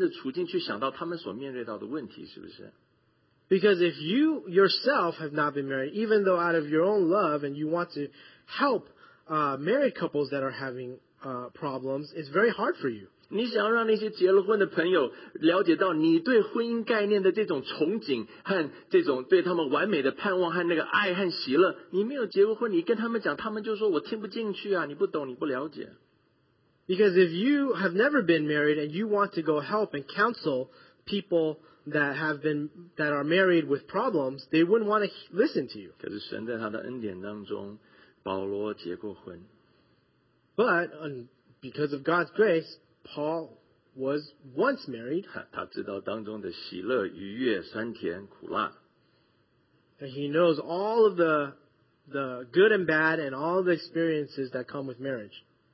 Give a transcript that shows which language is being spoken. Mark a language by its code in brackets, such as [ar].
[zh] 在我们当中如果没有结过婚的人，我们想要去跟帮助那些我们爱的，但是在婚姻当中有问题的人，你没有结过婚，就很，就你再怎么样的愿意去帮助他们，也很难的设身的处境去想到他们所面对到的问题，是不是？ [en] Because if you yourself have not been married, even though out of your own love and you want to help married couples that are having problems, it's very hard for you. [zh] 你想要让那些结了婚的朋友了解到你对婚姻概念的这种憧憬和这种对他们完美的盼望和那个爱和喜乐，你没有结过婚，你跟他们讲，他们就说我听不进去啊，你不懂，你不了解。 [en] Because if you have never been married and you want to go help and counsel people that have been that are married with problems, they wouldn't want to listen to you. [zh] 可是神在他的恩典当中，保罗结过婚。 [en] But because of God's grace, Paul was once married. [zh] 他知道当中的喜乐、愉悦、酸甜、苦辣。 [en] And he knows all of the good and bad and all the experiences that come with marriage.